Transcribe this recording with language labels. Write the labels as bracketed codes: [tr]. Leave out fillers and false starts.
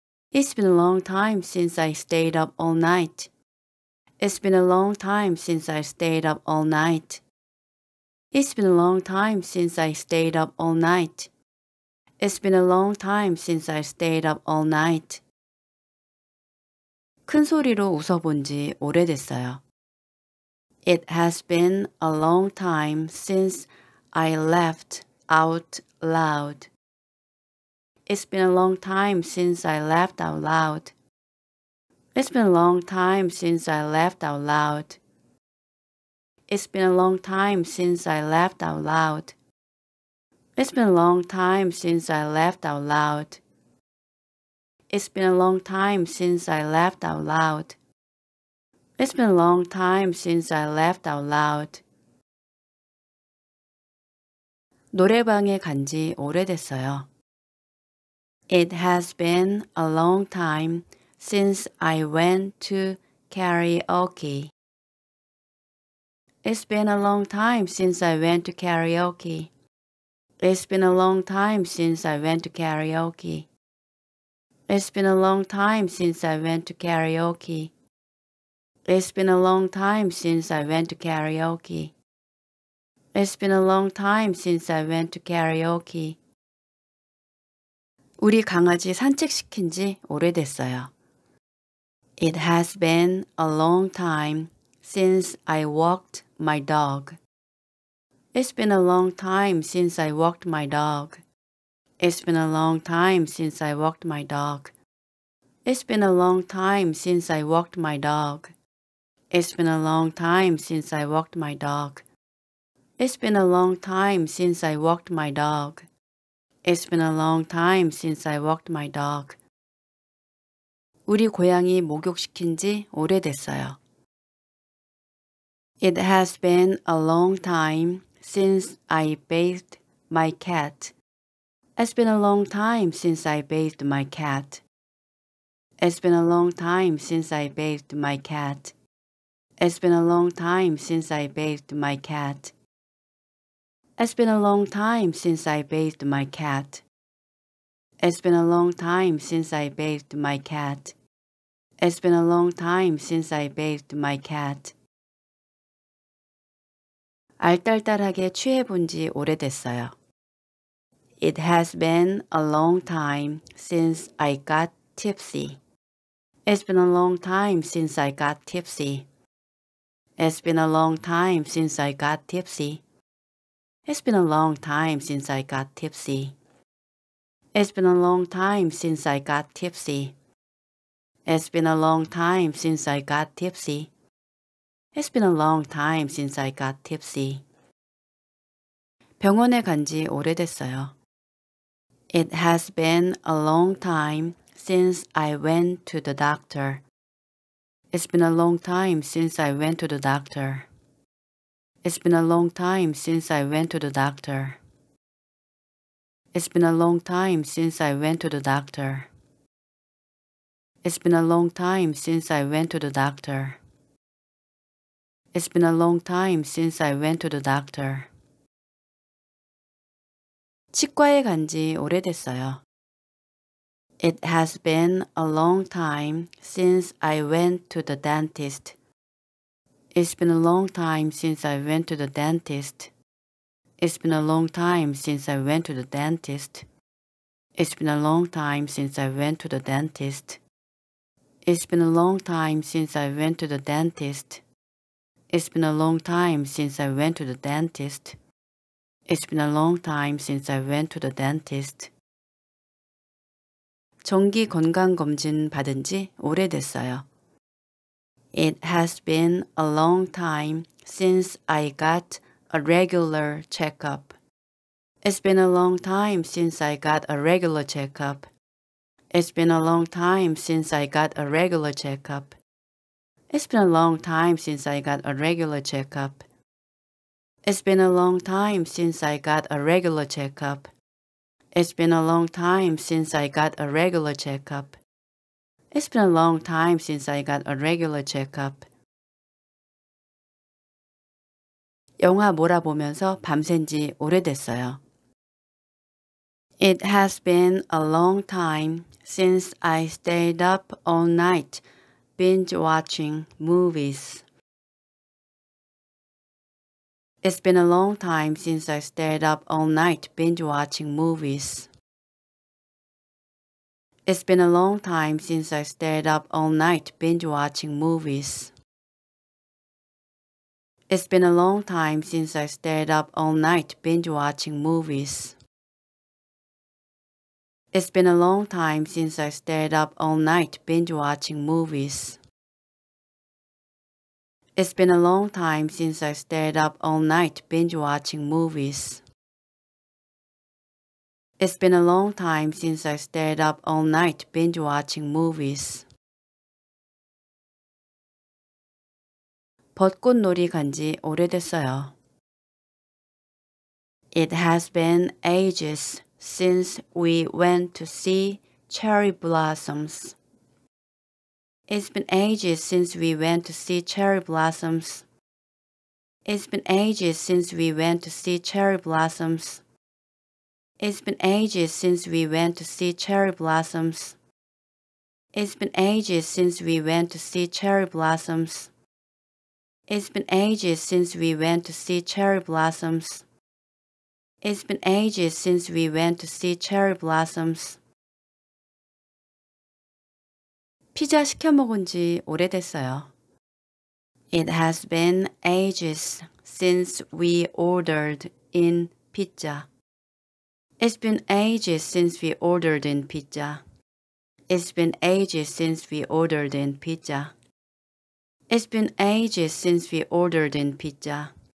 [en] It's been a long time since I stayed up all night. It's been a long time since I stayed up all night. It's been a long time since I stayed up all night. It's been a long time since I stayed up all night. [ko] 큰 소리로 웃어본 지 오래됐어요. [en] It has been a long time since I laughed out loud. It's been a long time since I laughed out loud. It's been a long time since I laughed out loud. It's been a long time since I laughed out loud. It's been a long time since I laughed out loud. It's been a long time since I laughed out loud. It's been a long time since I laughed out loud. [ko] 노래방에 간 지 오래됐어요. [en] It has been a long time since I went to karaoke. It's been a long time since I went to karaoke. It's been a long time since I went to karaoke. It's been a long time since I went to karaoke. It's been a long time since I went to karaoke. It's been a long time since I went to karaoke. [ko] 우리 강아지 산책시킨 지 오래됐어요. [en] It has been a long time since I walked my dog. It's been a long time since I walked my dog. It's been a long time since I walked my dog. It's been a long time since I walked my dog. It's been a long time since I walked my dog. It's been a long time since I walked my dog. It's been a long time since I walked my dog. [ko] 우리 고양이 목욕시킨 지 오래됐어요. [en] It has been a long time since I bathed my cat. It's been a long time since I bathed my cat. It's been a long time since I bathed my cat. It's been a long time since I bathed my cat. It's been a long time since I bathed my cat. It's been a long time since I bathed my cat. It's been a long time since I bathed my cat. [ko] 알딸딸하게 취해본 지 오래됐어요. [en] It has been a long time since I got tipsy. It's been a long time since I got tipsy. It's been a long time since I got tipsy. It's been a long time since I got tipsy. It's been a long time since I got tipsy. It's been a long time since I got tipsy. It's been a long time since I got tipsy. [ko] 병원에 간 지 오래됐어요. [en] It has been a long time since I went to the doctor. It's been a long time since I went to the doctor. It's been a long time since I went to the doctor. It's been a long time since I went to the doctor. It's been a long time since I went to the doctor. It's been a long time since I went to the doctor. [ko] 치과에 간 지 오래됐어요. [en] It has been a long time since I went to the dentist. It's been a long time since I went to the dentist. It's been a long time since I went to the dentist. It's been a long time since I went to the dentist. It's been a long time since I went to the dentist. It's been a long time since I went to the dentist. It's been a long time since I went to the dentist. [ko] 정기 건강검진 받은 지 오래됐어요. [en] It has been a long time since I got a regular checkup. It's been a long time since I got a regular checkup. It's been a long time since I got a regular checkup. It's been a long time since I got a regular checkup. It's been a long time since I got a regular checkup. It's been a long time since I got a regular checkup. It's been a long time since I got a regular checkup. [ko] 영화 몰아보면서 밤샌 지 오래됐어요. [en] It has been a long time since I stayed up all night binge-watching movies. It's been a long time since I stayed up all night binge-watching movies. It's been a long time since I stayed up all night binge-watching movies. It's been a long time since I stayed up all night binge-watching movies. It's been a long time since I stayed up all night binge-watching movies. It's been a long time since I stayed up all night binge-watching movies. It's been a long time since I stayed up all night binge-watching movies. [ko] 벚꽃놀이 간 지 오래됐어요. [en] It has been ages since we went to see cherry blossoms. It's been ages since we went to see cherry blossoms. It's been ages since we went to see cherry blossoms. It's been ages since we went to see cherry blossoms. It's been ages since we went to see cherry blossoms. It's been ages since we went to see cherry blossoms. It's been ages since we went to see cherry blossoms. [ko] 피자 시켜 먹은 지 오래됐어요. [en] It has been ages since we ordered in pizza. It's been ages since we ordered in pizza. It's been ages since we ordered in pizza. It's been ages since we ordered in pizza.